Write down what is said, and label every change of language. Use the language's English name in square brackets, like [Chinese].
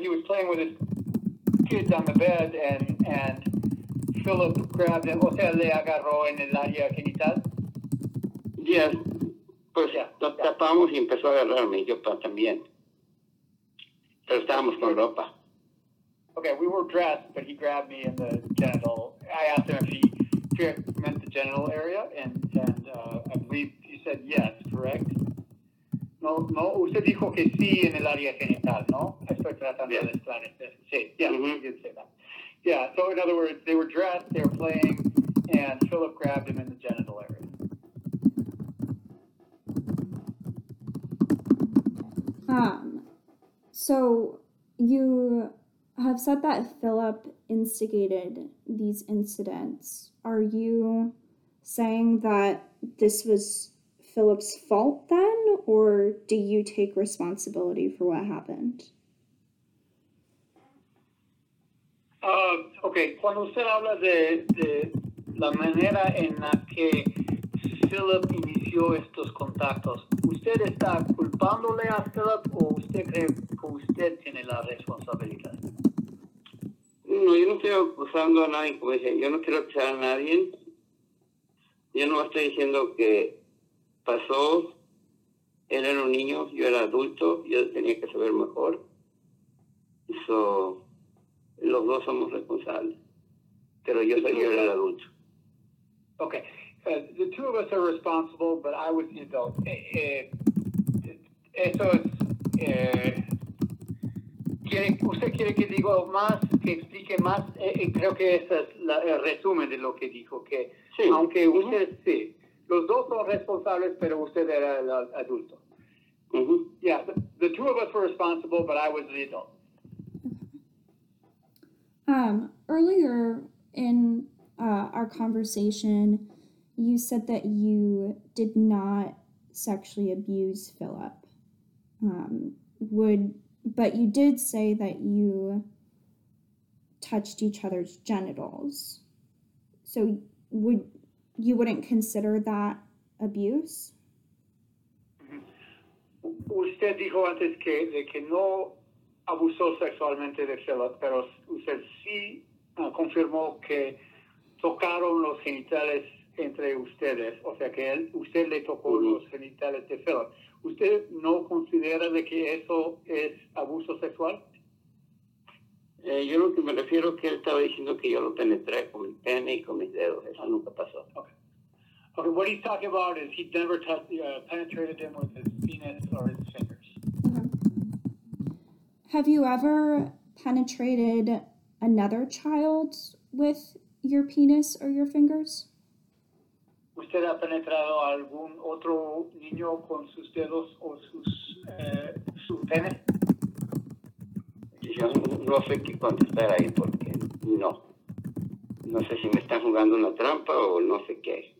[English] he was playing with his kids on the bed and Philip grabbed him, [Spanish] o sea, le agarró en el área genital. Yeah, pues yeah, nos tapamos y empezó a agarrarme y yo también. Pero estábamos con ropa. [English] Okay, we were dressed, but he grabbed me in the genital. I asked him if he meant the genital area, and I believe he said yes, correct? [Spanish] No, usted dijo que sí en el área genital, ¿no? Estoy tratando de esclarecer. Sí, [English] he did say that. Yeah, so in other words, they were dressed, they were playing, and Philip grabbed him in the genital area. So you have said that Philip instigated these incidents. Are you saying that this was Philip's fault then, or do you take responsibility for what happened? [Spanish] Okay, cuando usted habla de la manera en la que Philip inició estos contactos, ¿usted está culpándole a Philip o usted cree que usted tiene la responsabilidad? No, yo no estoy acusando a nadie, como dije, yo no quiero acusar a nadie. Yo no estoy diciendo que pasó, él era un niño, yo era adulto, yo tenía que saber mejor. So, los dos somos responsables, pero yo era el adulto. [English] Okay. The two of us are responsible, but I was the adult. [Spanish] Eso es ¿Usted quiere que diga más, que explique más? Creo que ese es el resumen de lo que dijo, que sí. Aunque usted, uh-huh. Sí, los dos son responsables, pero usted era el adulto. Uh-huh. [English] Yeah, the two of us were responsible, but I was the adult. Earlier in our conversation, you said that you did not sexually abuse Philip. But you did say that you touched each other's genitals. So wouldn't consider that abuse? [Spanish] Usted dijo antes que no abusó sexualmente de Philip, pero usted sí confirmó que tocaron los genitales entre ustedes, o sea que usted le tocó los genitales de Philip. ¿Usted no considera de que eso es abuso sexual? Yo lo que me refiero es que él estaba diciendo que yo lo penetré con mi pene y con mis dedos. Eso nunca pasó. [English] Okay. What he's talking about is he never penetrated him with his penis or his fingers. Okay. Have you ever penetrated another child with your penis or your fingers? [Spanish] ¿Usted ha penetrado a algún otro niño con sus dedos o su pene? Yo no sé qué contestar ahí porque no. No sé si me están jugando una trampa o no sé qué.